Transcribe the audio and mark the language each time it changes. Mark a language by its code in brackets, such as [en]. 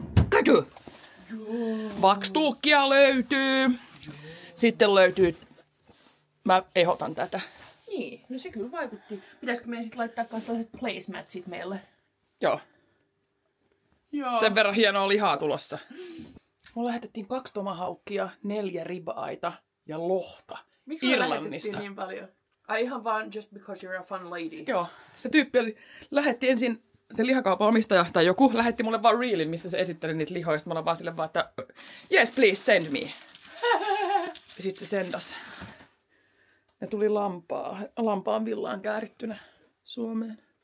[fi] Käky! Vakstuukkia löytyy. Sitten löytyy... Mä ehdotan tätä. Niin, no se kyllä vaikutti. Pitäisikö meidän sitten laittaa kans tällaiset placematsit meille? Joo. Joo. Sen verran hienoa lihaa tulossa. Mulla lähetettiin 2 tomahaukkia, 4 ribaita ja lohta. Miksi Irlannista? Miksi me lähetettiin niin paljon? Ihan vaan [en] just because you're a fun lady. [fi] Joo. Se tyyppi oli, lähetti ensin... Se lihakaupan omistaja tai joku lähetti mulle vaan reelin, missä se esitteli niitä lihoja. Sitten mä olen vaan silleen vaan, että [en] yes, please, send me. [fi] Ja sit se sendas. Ne tuli lampaan villaan käärittynä Suomeen.